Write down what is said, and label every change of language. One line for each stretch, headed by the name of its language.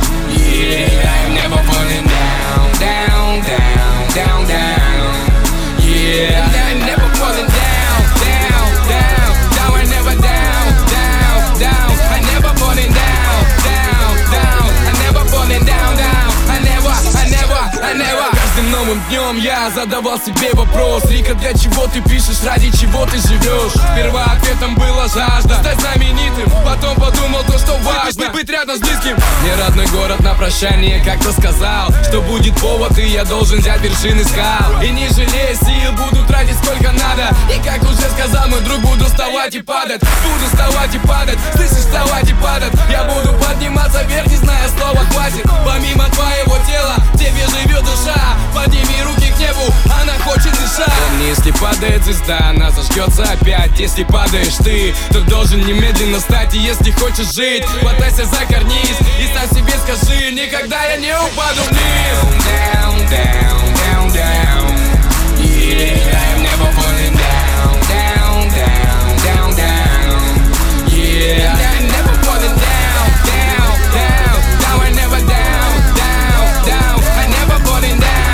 English: Yeah, I'm never falling down, down, down, down, down. Yeah, I'm never falling down, down, down, down. I'm never down, down, down. I'm never falling down, down, down. I'm never falling down, down. I never, I never, I never.
Russian: Новым днем я задавал себе вопрос: Рика, для чего ты пишешь, ради чего ты живешь? Сперва ответом была жажда стать знаменитым, потом подумал то, что важно быть рядом с близким. Мне родной город на прощание как-то сказал, что будет повод, и я должен взять вершины скал. И не жалея сил, буду тратить сколько надо. И как уже сказал мой друг, буду вставать и падать. Буду вставать и падать, слышишь, вставать и падать. Я буду подниматься вверх, не зная слова хватит. Помимо твоего тела, тебе живет душа. Подними руки к небу, она хочет дышать. Если падает звезда, она зажгется опять. Если падаешь ты, то должен немедленно встать. И если хочешь жить, хватайся за карниз и сам себе скажи: никогда я не упаду вниз.
English: Down, down, down, down, down. Yeah, I'm never falling down. Down, down, down, down. Yeah, I'm never falling down. Down, down, down, I'm never down. Down, down, I'm never falling down.